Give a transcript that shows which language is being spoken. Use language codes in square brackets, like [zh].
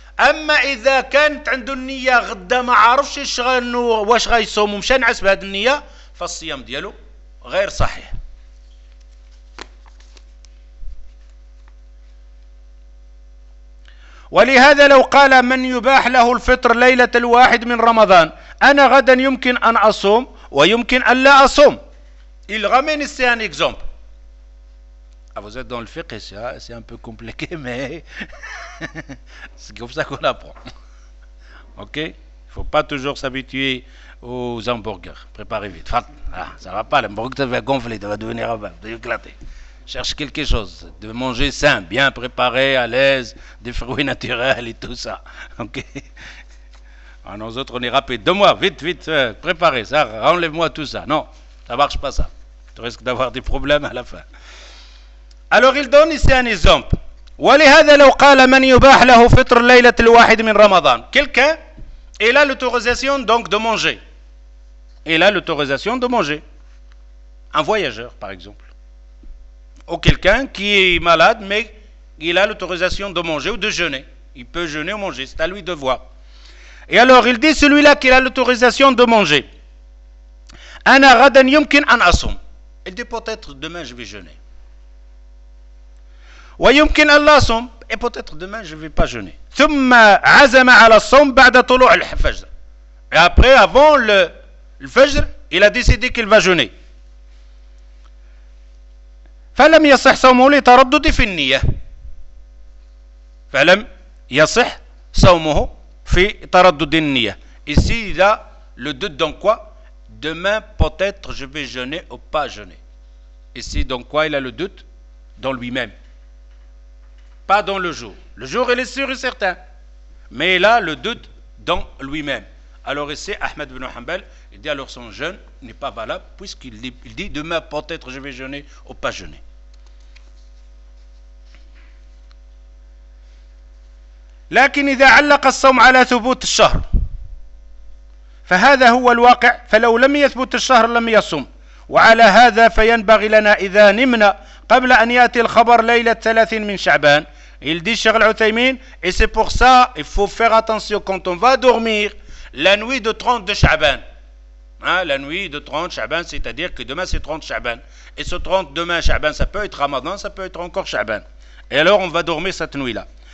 [ar] أما إذا كانت عنده النية غدا ما عارفش واش غيصوم ومشى نعس بهذه النية فالصيام ديالو غير صحيح ولهذا لو قال من يباح له الفطر ليلة الواحد من رمضان أنا غدا يمكن أن أصوم ويمكن أن لا أصوم [fr] il ramène ici un exemple vous êtes dans le fiqh c'est un peu compliqué mais c'est comme ça qu'on apprend ok il faut pas toujours s'habituer aux hamburgers, préparez vite. Ça va pas, l'hamburger va gonfler, ça va devenir éclaté. cherche quelque chose de manger sain, bien préparé, à l'aise, des fruits naturels et tout ça. Ok. Alors nous autres, on est rapide. Deux mois, vite, vite, préparez ça, enlève-moi tout ça. Non, ça marche pas ça. Tu risques d'avoir des problèmes à la fin. Alors il donne ici un exemple. [ar] ولهذا لو قال من يباح له فطر ليلة الواحد من رمضان. [fr] Quelqu'un, il a l'autorisation donc de manger. Il a l'autorisation de manger. Un voyageur, par exemple. Ou quelqu'un qui est malade, mais il a l'autorisation de manger ou de jeûner. Il peut jeûner ou manger, c'est à lui de voir. Et alors, il dit celui-là qui a l'autorisation de manger. [ar] أنا غدا يمكن أن أصوم. [fr] Il dit peut-être demain je vais jeûner. [ar] ويمكن أن لا أصوم. [fr] Et peut-être demain je ne vais pas jeûner. [ar] ثم عزم على الصوم بعد طلوع الفجر. [fr] Et après, avant le الفجر, il a décidé qu'il va jeûner. [ar] فلم يصح صومه لتردد في النية. فلم يصح صومه في تردد النية. [fr] Ici, il a le doute dans quoi? Demain, peut-être, je vais jeûner ou pas jeûner. Ici, dans quoi il a le doute? Dans lui-même. Pas dans le jour. Le jour, il est sûr et certain. Mais il a le doute dans lui-même. Alors ici, Ahmed ibn Hanbal, il dit alors son jeûne n'est pas valable puisqu'il dit, il dit demain peut-être je vais jeûner ou pas jeûner. [ar] لكن إذا علق الصوم على ثبوت الشهر فهذا هو الواقع فلو لم يثبت الشهر لم يصوم وعلى هذا فينبغي لنا إذا نمنا قبل أن يأتي الخبر ليلة 30 من شعبان. [fr] Il dit Cheikh Al-Uthaymin, et c'est pour ça il faut faire attention quand on va dormir la nuit de 30 de Sha'ban. La nuit de 30 Sha'ban, c'est-à-dire que demain c'est 30 Sha'ban. Et ce 30 demain Sha'ban, ça peut être Ramadan, ça peut être encore Sha'ban. Et alors on va dormir cette nuit-là.